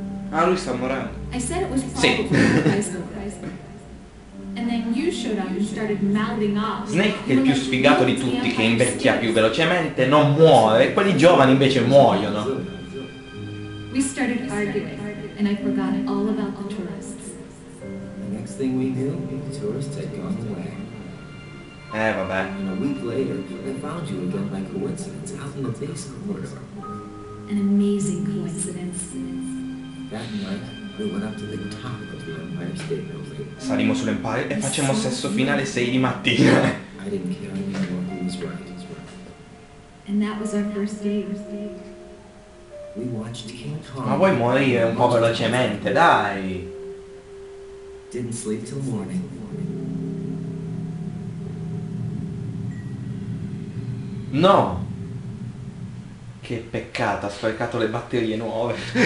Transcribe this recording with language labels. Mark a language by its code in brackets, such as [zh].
[it] Ah, lui sta morendo. Sì. Snake, che è il più sfigato di tutti, che invecchia più velocemente, non muore. Quelli giovani invece muoiono. [en] We started arguing and I forgot all about the tourists. The next thing we knew, the tourists had gone away. [it] Vabbè. [en] A week later, I found you again by coincidence out in the base corridor. An amazing coincidence. That night, we went up to the top of the Empire State Building. [it] Salimo sull'Empire e facciamo sesso finale 6 di mattina. [en] I didn't care anymore who was right as well. And that was our first date. We watched King Kong. [it] Ma vuoi morire un po' velocemente, dai! [en] Didn't sleep till morning. [it] No! Che peccato, ha sprecato le batterie nuove.